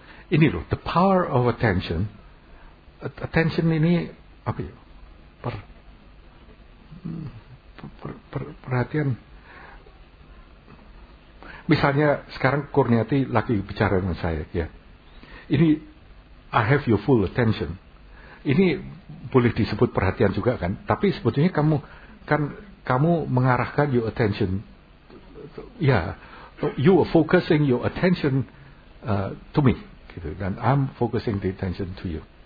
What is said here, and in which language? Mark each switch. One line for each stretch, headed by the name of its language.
Indonesian: Ini loh,
English: the power of attention.
Indonesian: Attention ini apa ya? Perhatian. Misalnya sekarang Kurniati lagi bicara dengan saya, ya.
English: Ini I have your full attention.
Indonesian: Ini boleh disebut perhatian juga kan? Tapi sebetulnya kamu kan kamu mengarahkan
English: your attention,
Indonesian: ya. Yeah.
English: You are focusing your attention to me, gitu. And I'm focusing the attention to you.